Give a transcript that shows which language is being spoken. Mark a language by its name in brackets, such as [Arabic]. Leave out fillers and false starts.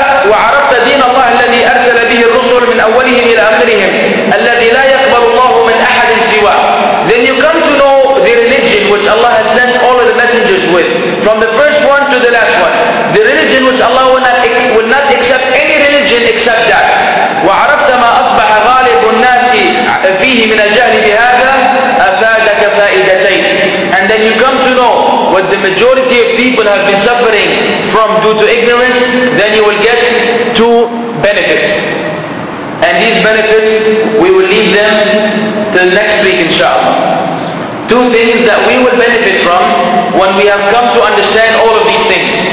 [Arabic] وعرفت دين الله الذي أرسل به الرسل من أولهم إلى آخرهم الذي لا يقبل الله من أحد سواه. [English] Then you come to know the religion which Allah has sent all of the messengers with, from the first one to the last one. The religion which Allah will not accept any religion except that. [Arabic] وعرفت ما أصبح غالب الناس فيه من الجهل بهذا أفادك فائدتين. [English] And then you come to know what the majority of people have been suffering from due to ignorance, then you will get two benefits. And these benefits, we will leave them till next week inshallah. Two things that we will benefit from when we have come to understand all of these things.